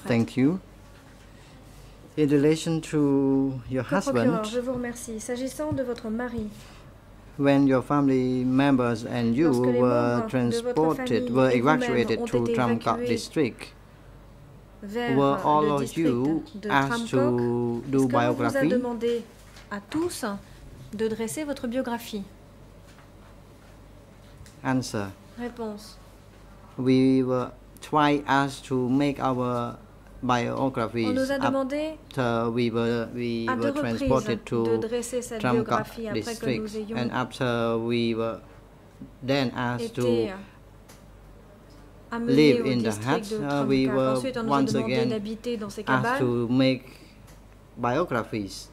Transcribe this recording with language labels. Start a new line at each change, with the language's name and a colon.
English: thank you. In relation to your husband,
French: je vous remercie. S'agissant de votre mari,
English: when your family members and you were transported, were evacuated to Tramcock district, were all of you asked to do biography?
French: Est-ce qu'on vous a demandé à tous de dresser votre biographie?
English: Answer.
French: Réponse.
English: We were twice asked to make our biographies.
French: On nous a demandé
English: we were transported to Tramcock district, and after we were then asked to live in the huts, we were once again asked to make biographies.